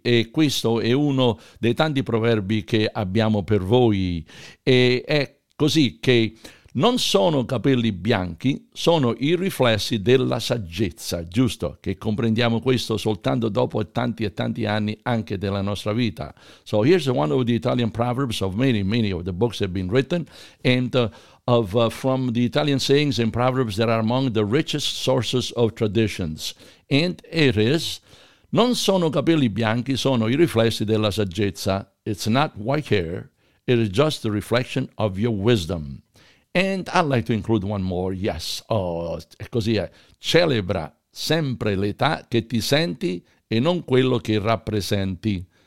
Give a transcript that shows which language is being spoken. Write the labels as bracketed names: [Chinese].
[Italian] E questo è uno dei tanti proverbi che abbiamo per voi. E è così che non sono capelli bianchi, sono i riflessi della saggezza, giusto? Che comprendiamo questo soltanto dopo tanti e tanti anni anche della nostra vita. [English] So here's one of the Italian proverbs of many, many of the books that have been written and from the Italian sayings and proverbs that are among the richest sources of traditions. And it is, [Italian] non sono capelli bianchi, sono i riflessi della saggezza. [English] It's not white hair. It is just a reflection of your wisdom. And I'd like to include one more. Yes. Oh, [Italian] è così. Celebra sempre l'età che ti senti e non quello che rappresenti.